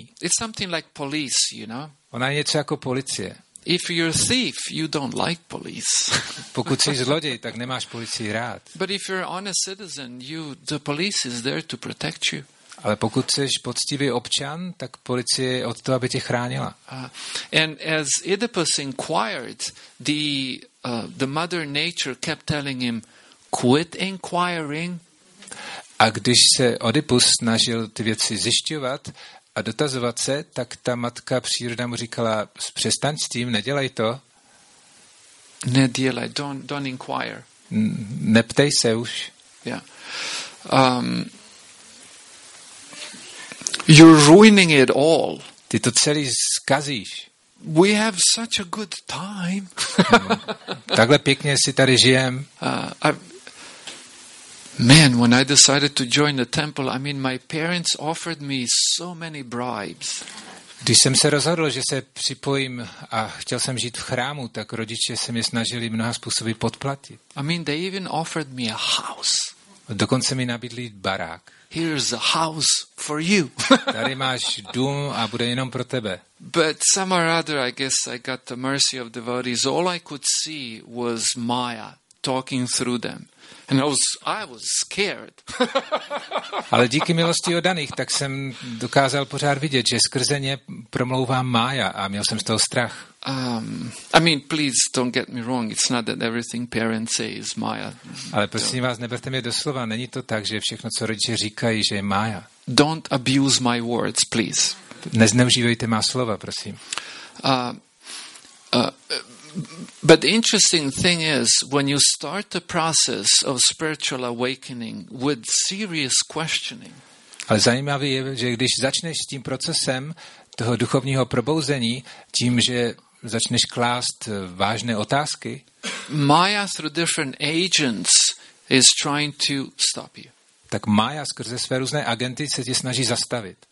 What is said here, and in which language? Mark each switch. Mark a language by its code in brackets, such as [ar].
[en] It's something like police, you know? [cs] Ona je něco jako policie. [en] If you're a thief, you don't like police. [cs] Pokud jsi zloděj, tak nemáš policii rád. [en] But if you're an honest citizen, the police is there to protect you. [cs] Ale pokud jsi poctivý občan, tak policie je od toho, aby tě chránila. [en] And as Oedipus inquired, the mother nature kept telling him, quit inquiring. [cs] A když se Oedipus snažil ty věci zjišťovat a dotazovat se, tak ta matka příroda mu říkala, přestaň s tím, nedělej to. Nedělej, [en] don't inquire. [cs] Neptej se už. [en] Yeah. You're ruining it all. [cs] Ty to celý zkazíš. [en] We have such a good time. [cs] Takhle pěkně si tady žijeme. [en] Man, when I decided to join the temple, I mean, my parents offered me so many bribes. [cs] Když jsem se rozhodl, že se připojím a chtěl jsem žít v chrámu, tak rodiče se mě snažili mnoha způsoby podplatit. [en] I mean, they even offered me a house. [cs] Dokonce mi nabídli barák. [en] Here's a house for you. [cs] Tady máš dům a bude jenom pro tebe. [en] But somehow or other, I guess I got the mercy of devotees. All I could see was Maya talking through them. And I was scared. [cs] Ale díky milosti odaných, tak jsem dokázal pořád vidět, že skrze ně promlouvá Maya a měl jsem z toho strach. [en] I mean, please don't get me wrong. It's not that everything parents say is Maya. [cs] Ale prosím vás, neberte mě doslova. Není to tak, že všechno, co rodiče říkají, že je Maya. [en] Don't abuse my words, please. [cs] Nezneužívejte má slova, prosím. [en] But the interesting thing is, when you start the process of spiritual awakening with serious questioning. [cs] Ale zajímavé je, že když začneš s tím procesem toho duchovního probouzení, tím, že začneš klást vážné otázky, [en] Maya through different agents is trying to stop you. [cs] Tak Maya skrze své různé agenty se tě snaží zastavit.